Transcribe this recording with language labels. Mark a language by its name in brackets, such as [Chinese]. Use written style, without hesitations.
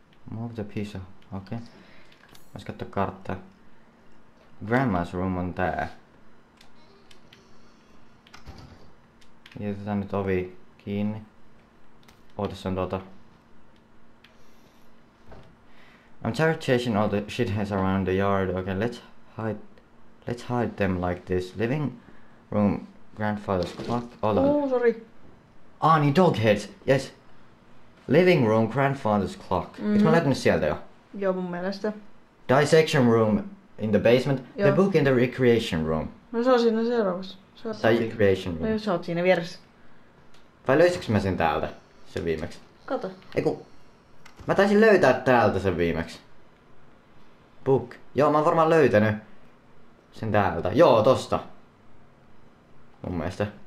[English] Move the piece of... Okei. Okay. [Finnish] Vois katsoa kartta. Grandma's room on tää. Jätetään nyt ovi kiinni. Ootas on tuota. [English] I'm tired of chasing all the shitheads around the yard. Okay, let's hide them like this. Living room, grandfather's clock. Oh, sorry. Ah, niin dog heads. Yes. Living room, grandfather's clock. [Finnish] Mm-hmm. Mä laitan ne sieltä jo? Joo, mun mielestä. [English] Dissection room in the basement. Joo. The book in the recreation room. [Finnish] No se on siinä seuraavassa. Tai recreation room. No sä oot siinä vieressä. Vai löysikö mä sen täältä sen viimeksi? Kato. Eiku. Mä taisin löytää täältä sen viimeksi. Book. Joo, mä oon varmaan löytänyt sen täältä. Joo, tosta. Mun mielestä.